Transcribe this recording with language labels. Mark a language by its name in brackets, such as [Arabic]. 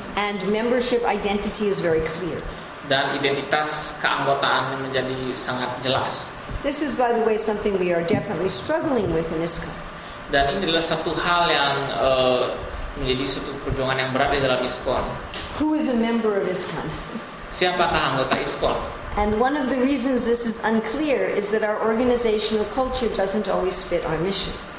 [English] And membership identity is very clear. [Indonesian] Dan identitas keanggotaan menjadi sangat jelas. [English] This is, by the way, something we are definitely struggling with in ISKCON. [Indonesian] Dan ini adalah satu hal yang menjadi suatu perjuangan yang berat di dalam ISKCON. [English] Who is a member of ISKCON? [Indonesian] Siapakah anggota ISKCON? [English] And one of the reasons this is unclear is that our organizational culture doesn't always fit our mission.